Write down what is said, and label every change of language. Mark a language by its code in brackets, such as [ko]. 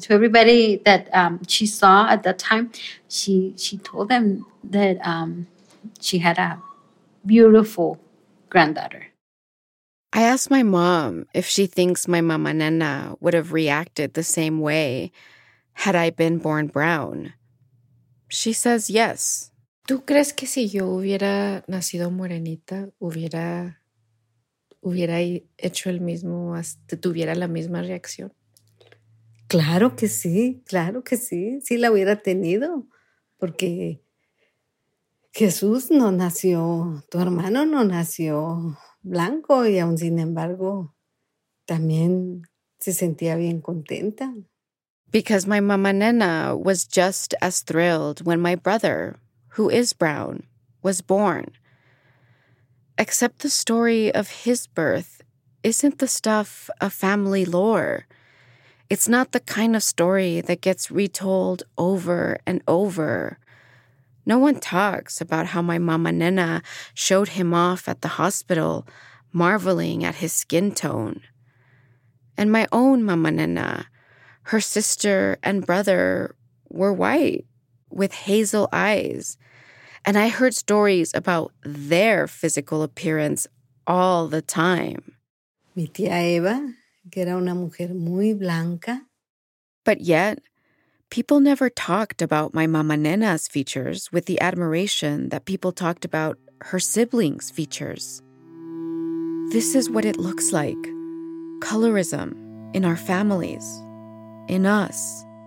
[en] To everybody that she saw at that time, she told them that she had a beautiful granddaughter. I asked my mom if she thinks my mama nena would have reacted the same way had I been born brown. She says yes. [es] ¿Tú crees que si yo hubiera nacido morenita, hubiera hecho el mismo, tuviera la misma reacción? Claro que sí, claro que sí. Sí la hubiera tenido, porque Jesús no nació, tu hermano no nació blanco y aún sin embargo también se sentía bien contenta. [en] Because my mama nena was just as thrilled when my brother, who is brown, was born. Except the story of his birth isn't the stuff of family lore. It's not the kind of story that gets retold over and over. No one talks about how my mama nena showed him off at the hospital, marveling at his skin tone. And my own mama nena, her sister and brother, were white, with hazel eyes. And I heard stories about their physical appearance all the time. [es] Mi tía Eva, que era una mujer muy blanca. [en] But yet, people never talked about my mama nena's features with the admiration that people talked about her siblings' features. This is what it looks like. Colorism in our families, in us.